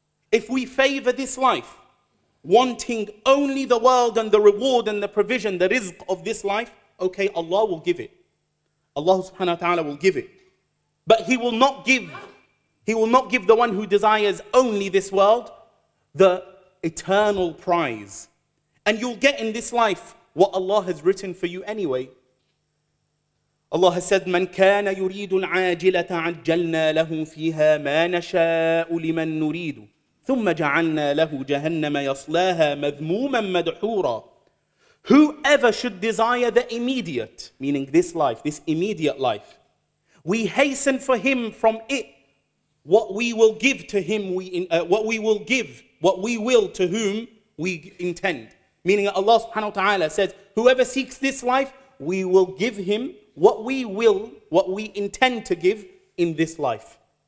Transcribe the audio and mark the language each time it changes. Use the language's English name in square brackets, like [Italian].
[English] If we favor this life, wanting only the world and the reward and the provision, the rizq of this life, okay, Allah will give it. Allah subhanahu wa ta'ala will give it. But He will not give the one who desires only this world the eternal prize. And you'll get in this life what Allah has written for you anyway. Allah has said, [Arabic] من كان يريد العاجلة عجلنا له فيها ما نشاء لمن نريد ثم جعلنا له جهنم يصلاها مذموما مدحورا. [English] Whoever should desire the immediate, meaning this life, this immediate life, we hasten for him from it what we will give to him, what we will to whom we intend. Meaning Allah subhanahu wa ta'ala says, whoever seeks this life, we will give him what we intend to give in this life.